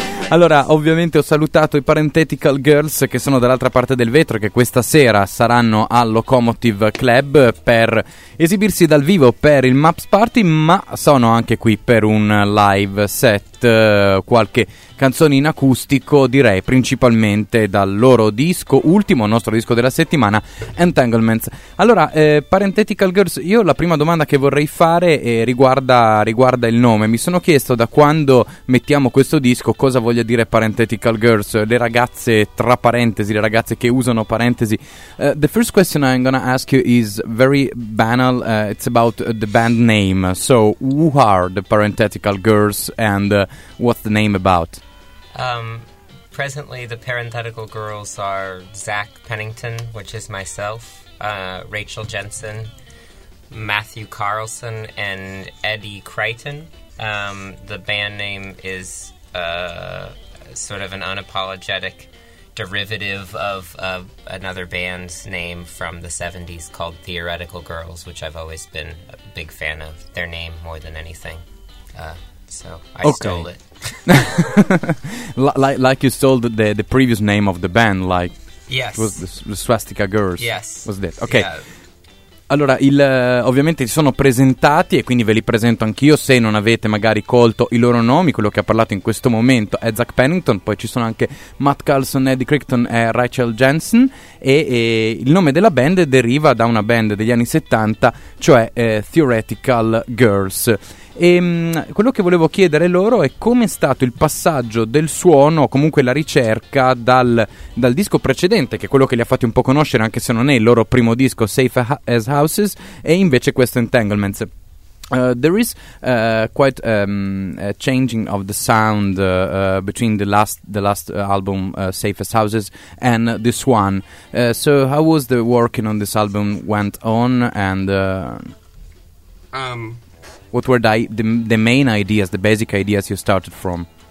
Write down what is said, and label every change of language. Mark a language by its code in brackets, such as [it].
[it] Allora, ovviamente ho salutato i Parenthetical Girls che sono dall'altra parte del vetro, che questa sera saranno al Locomotive Club per esibirsi dal vivo per il Maps Party, ma sono anche qui per un live set, qualche canzone in acustico, direi principalmente dal loro disco ultimo, il nostro disco della settimana, Entanglements. Allora, Parenthetical Girls, io la prima domanda che vorrei fare riguarda il nome. Mi sono chiesto da quando mettiamo questo disco cosa voglia dire Parenthetical Girls, le ragazze tra parentesi, le ragazze che usano parentesi. [en] The first question I'm gonna ask you is very banal, it's about the band name. So who are the Parenthetical Girls and what's the name about? Presently the Parenthetical Girls are Zach Pennington, which is myself, Rachel Jensen, Matthew Carlson, and Eddie Crichton. The band name is sort of an unapologetic derivative of another band's name from the 70s called Theoretical Girls, which I've always been a big fan of their name more than anything. So I stole it. like you stole the previous name of the band, like, yes, it was the Swastika Girls. Yes, was that okay? Yeah. [it] Allora, ovviamente si sono presentati e quindi ve li presento anch'io. Se non avete magari colto i loro nomi, quello che ha parlato in questo momento è Zach Pennington. Poi ci sono anche Matt Carlson, Eddie Crichton e Rachel Jensen. E il nome della band deriva da una band degli anni 70, cioè Theoretical Girls. E quello che volevo chiedere loro è come è stato il passaggio del suono, comunque la ricerca dal disco precedente, che è quello che li ha fatti un po' conoscere, anche se non è il loro primo disco, Safe as Houses, e invece questo Entanglements. [en] There is quite a changing of the sound between the last album, Safe as Houses, and this one. So how was the working on this album went on, and what were the main ideas, the basic ideas you started from?